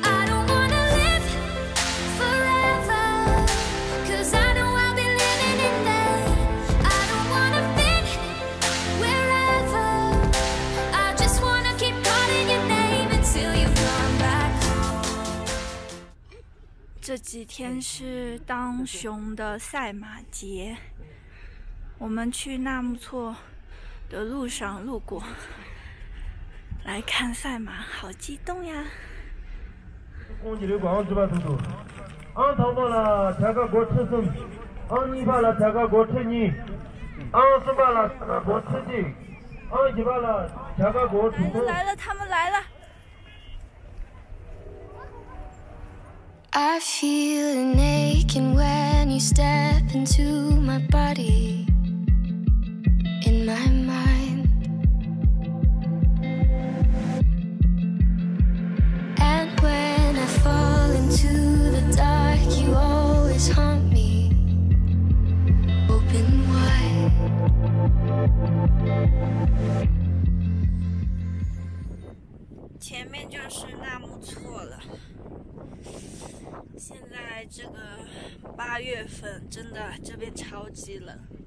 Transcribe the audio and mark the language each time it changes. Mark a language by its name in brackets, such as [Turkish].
[English] I don't wanna live forever, 'cause I know I'll be living in vain. I don't wanna fit wherever. I just wanna keep calling your name until you come back home. [Chinese] 这几天是当熊的赛马节，我们去纳木错的路上路过，来看赛马，好激动呀！恭喜刘广，祝吧叔叔，俺淘宝了，参加国车生，俺一把了参加国车女，俺是把了国车女，俺一把了参加国主公。来了，他们来了。 [English] I feel an aching when you step into my body, in my mind. And when I fall into the dark, you always haunt me, open wide. [Chinese] 前面就是纳木错了，现在这个八月份真的这边超级冷。